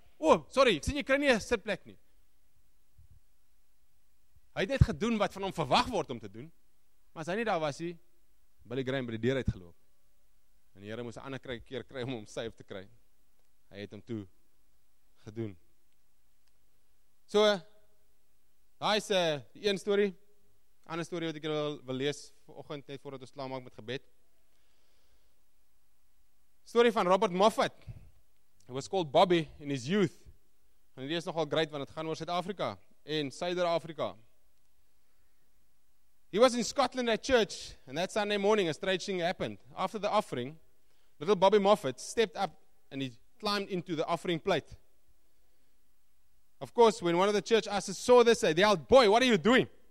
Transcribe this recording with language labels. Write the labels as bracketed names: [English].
[Afrikaans] "Oh, sorry, ek sien jy kry nie 'n sitplek nie." Hy het net gedoen wat van hom verwag word om te doen. Maar as hy nie daar was nie, Billy Graham by die deur uitgeloop. En die Here moes 'n ander keer kry om hom safe te kry. Hy het hom toe gedoen. So, daai is die een storie. Ander storie wat ek wil lees vanoggend net voordat ons klaar maak met gebed. Story van Robert Moffat. [English] He was called Bobby in his youth. [Afrikaans] En die is nogal great want het gaan oor Suid-Afrika en Suider-Afrika. [English] He was in Scotland at church, and that Sunday morning a strange thing happened. After the offering, little Bobby Moffat stepped up and he climbed into the offering plate. Of course, when one of the church ushers saw this, they yelled, "Boy, what are you doing?"